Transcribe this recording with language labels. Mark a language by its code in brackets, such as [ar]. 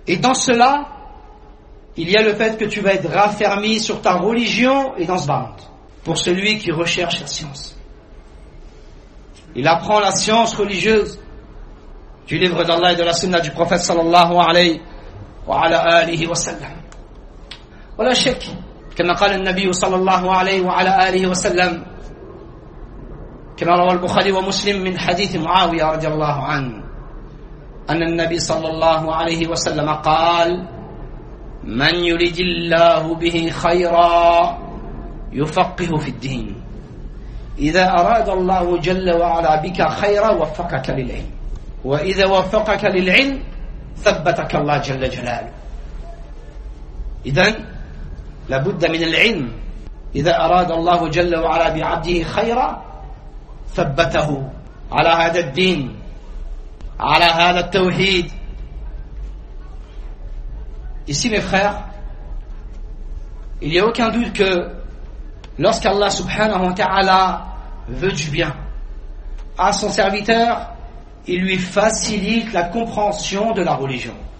[fr] Et dans cela, il y a le fait que tu vas être raffermi sur ta religion et dans ce monde. Pour celui qui recherche la science. Il apprend la science religieuse du livre d'Allah et de la sunna du prophète sallallahu alayhi wa ala alihi wa sallam. Wala shak, comme a dit le Nabi sallallahu alayhi wa ala alihi wa sallam, [ar] كما روى البخاري ومسلم من حديث معاوية رضي الله عنه أن النبي صلى الله عليه وسلم قال من يريد الله به خيرا يفقه في الدين. إذا أراد الله جل وعلا بك خيرا وفقك للعلم وإذا وفقك للعلم ثبتك الله جل جلاله. إذن لابد من العلم. إذا أراد الله جل وعلا بعبده خيرا ثبته على هذا الدين على هذا التوحيد. [fr] Ici mes frères, il n'y a aucun doute que lorsqu'Allah subhanahu wa ta'ala veut du bien à son serviteur, il lui facilite la compréhension de la religion.